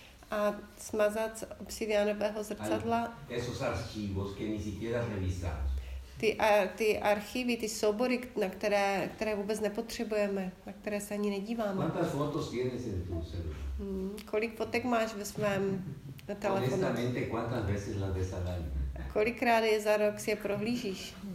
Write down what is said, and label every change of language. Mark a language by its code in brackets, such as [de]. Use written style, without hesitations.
[cs] A smazat z obsidianového zrcadla. [es] Esos archivos que ni siquiera revisar. [cs] Ty archivy, ty soubory, na které vůbec nepotřebujeme, na které se ani nedíváme. [es] ¿Cuántas fotos tienes en tu celular? [cs] Kolik fotek máš ve svém telefonu? [es] Honestamente, ¿cuántas veces las ves al año? [cs] Kolikrát je za rok si je prohlížíš?